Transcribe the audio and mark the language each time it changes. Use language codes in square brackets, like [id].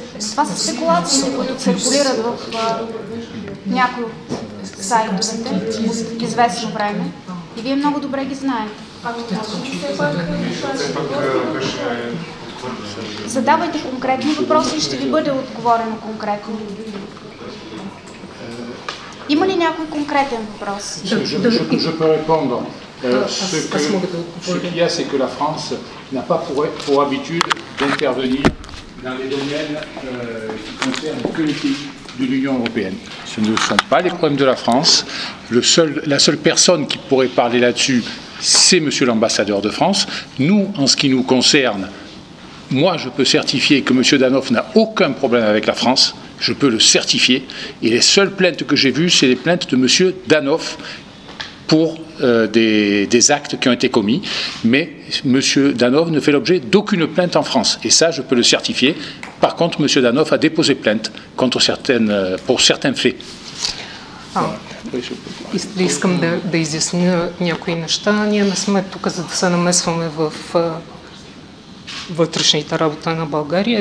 [bg] Това са спекулациите, които циркулират в някои от сайтовете от известно време и вие много добре ги знаете. Ако ви се пак Задавайте конкретни въпроси и ще ви бъде отговорено конкретно. Има ли някой конкретен въпрос? [fr] Je peux répondre. Ce qu'il y a, c'est que la France n'a pas pour habitude d'intervenir dans les domaines qui concernent que les pays de l'Union européenne. Ce ne sont pas les problèmes de la France. La seule personne qui pourrait parler là-dessus, c'est M. l'ambassadeur de France. Nous, en ce qui nous concerne, moi, je peux certifier que M. Danoff n'a aucun problème avec la France. Je peux le certifier. Et les seules plaintes que j'ai vues, c'est les plaintes de M. Danoff pour des actes qui ont été commis. Mais M. Danoff ne fait l'objet d'aucune plainte en France. Et ça, je peux le certifier. Par contre, M. Danoff a déposé plainte contre certaines, pour certains faits. [bg] Искам да изясня някои неща. Ние не сме тук, за да се намесваме в вътрешните работи на България.